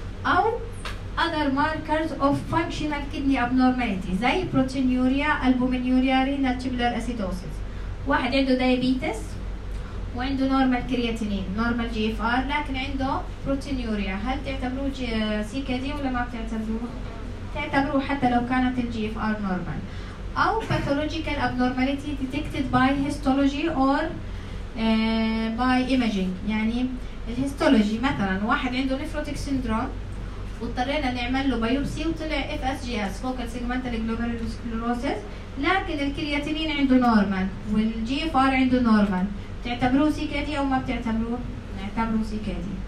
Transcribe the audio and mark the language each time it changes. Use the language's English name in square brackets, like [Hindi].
[Arabic] او اذر ماركرز اوف فانكشنال كيدني ابنورماليتي زي بروتينيوريا البومينيوريا رينال تيبولار اسيدوسيس، واحد عنده دايابيتس وعنده نورمال كرياتينين نورمال جي اف ار لكن عنده بروتينيوريا، هل تعتبروه سي كي دي ولا ما بتعتبروه؟ تعتبروا حتى لو كانت الجي اف ار نورمال. [English] او pathological abnormality detected by histology or by imaging. [Arabic] يعني الهيستولوجي مثلا واحد عنده نيفروتيك سيندروم واضطرينا نعمل له بايوبسي وطلع اف اس جي اس [English] focal segmental glomerulosclerosis [Arabic] لكن الكرياتينين عنده نورمال والجي اف ار عنده نورمال، تعتبروه سي كي دي او ما بتعتبروه؟ نعتبره سي كي دي.